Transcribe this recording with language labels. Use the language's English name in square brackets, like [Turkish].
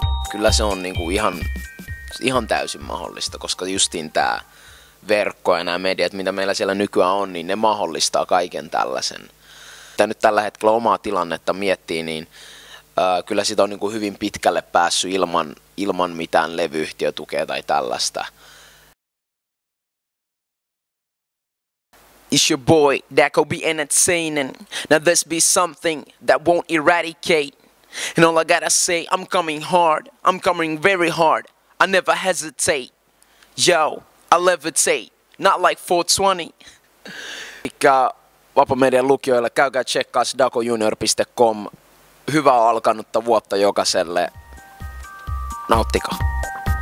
[Finnish] Kyllä se on niin kuin ihan täysin mahdollista, koska justiin tämä verkko ja nämä mediat, mitä meillä siellä nykyään on, niin ne mahdollistaa kaiken tällaisen. Tää nyt tällä hetkellä omaa tilannetta miettii, niin kyllä sitä on niin kuin hyvin pitkälle päässyt ilman mitään levyyhtiötukea tai tällaista. [English] It's your boy, that could be insane. Now this be something that won't eradicate. And all I gotta say, I'm coming hard, I'm coming very hard, I never hesitate, yo, I levitate, not like 420. [Finnish] Elikkä Vapamedian lukijoille, käykää tsekkaas dakojunior.com. Hyvää alkanutta vuotta jokaiselle, nauttikaa.